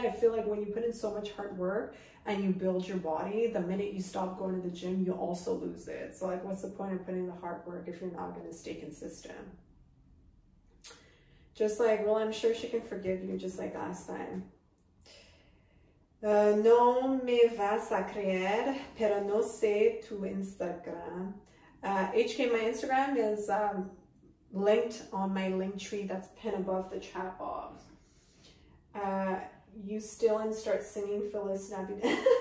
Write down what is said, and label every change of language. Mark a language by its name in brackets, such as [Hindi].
[English] I feel like when you put in so much hard work and you build your body, the minute you stop going to the gym, you also lose it. So like, what's the point of putting in the hard work if you're not going to stay consistent? Just like, well, I'm sure she can forgive you just like last time. [Spanish] No me vas a creer, pero no sé tu Instagram. [English] HK, my Instagram is linked on my link tree that's pinned above the chat box. You still and start singing Feliz Navidad.